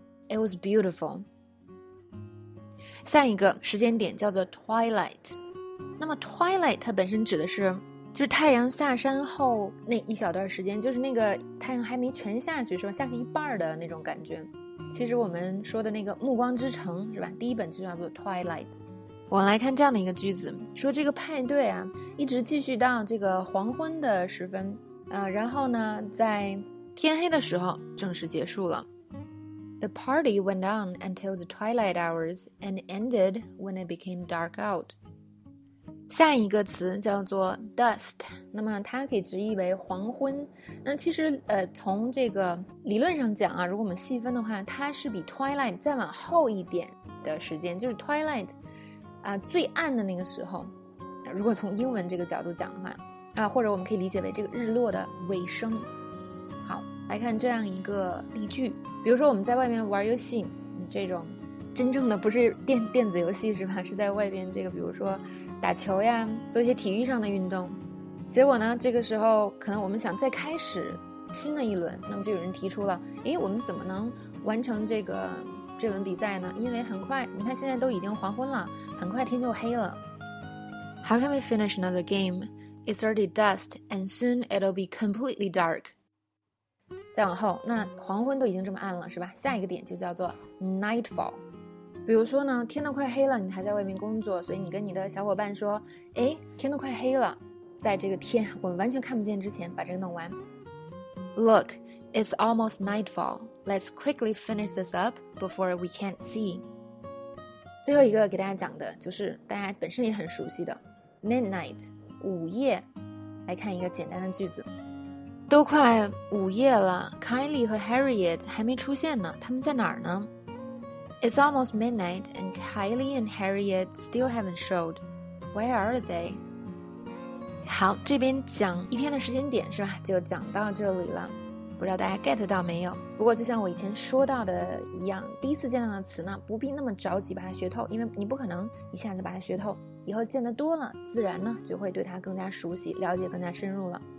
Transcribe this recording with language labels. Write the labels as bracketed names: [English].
[English] It was beautiful. [Chinese] 下一个时间点叫做 twilight。那么 twilight 它本身指的是就是太阳下山后那一小段时间，就是那个太阳还没全下去，是吧，下去一半的那种感觉。其实我们说的那个暮光之城是吧，第一本就叫做 twilight。我来看这样的一个句子，说这个派对啊一直继续到这个黄昏的时分，然后呢在天黑的时候正式结束了。 [English] The party went on until the twilight hours and ended when it became dark out。 [Chinese] 下一个词叫做 dust， 那么它可以直译为黄昏。那其实从这个理论上讲啊，如果我们细分的话，它是比 twilight 再往后一点的时间，就是 twilight 最暗的那个时候，如果从英文这个角度讲的话或者我们可以理解为这个日落的尾声。好，来看这样一个例句，比如说我们在外面玩游戏，这种真正的不是 电子游戏是吧，是在外边这个比如说打球呀，做一些体育上的运动，结果呢这个时候可能我们想再开始新的一轮，那么就有人提出了，诶，我们怎么能完成这轮比赛呢，因为很快你看现在都已经黄昏了，很快天就黑了。 [English] How can we finish another game? It's already dusk and soon it'll be completely dark. [Chinese] 再往后那黄昏都已经这么暗了是吧，下一个点就叫做 nightfall。比如说呢，天都快黑了，你还在外面工作，所以你跟你的小伙伴说，哎，天都快黑了，在这个天我们完全看不见之前把这个弄完。 [English] Look, it's almost nightfall. Let's quickly finish this up before we can't see. [Chinese] 最后一个给大家讲的就是大家本身也很熟悉的 midnight, 午夜。来看一个简单的句子，都快午夜了， Kylie 和 Harriet 还没出现呢，他们在哪儿呢？ [English] It's almost midnight and Kylie and Harriet still haven't showed. Where are they? [Chinese] 好，这边讲一天的时间点是吧，就讲到这里了。不知道大家 get 到没有，不过就像我以前说到的一样，第一次见到的词呢不必那么着急把它学透，因为你不可能一下子把它学透，以后见得多了自然呢就会对它更加熟悉，了解更加深入了。